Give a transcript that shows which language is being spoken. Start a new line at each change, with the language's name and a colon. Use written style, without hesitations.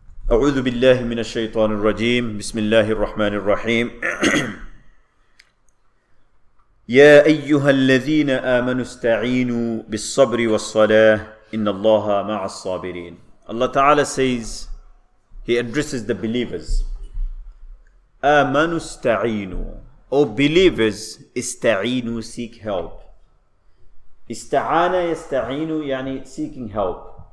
Arabic: أعوذ بالله من الشيطان الرجيم بسم الله الرحمن الرحيم يا أيها الذين آمنوا استعينوا بالصبر والصلاة إن الله مع الصابرين.
English: Allah Ta'ala says, he addresses the believers,
Arabic: آمنوا استعينوا,
English: O believers,
Arabic: استعينوا,
English: seek help.
Arabic: استعانا يستعينوا, يعني
English: seeking help.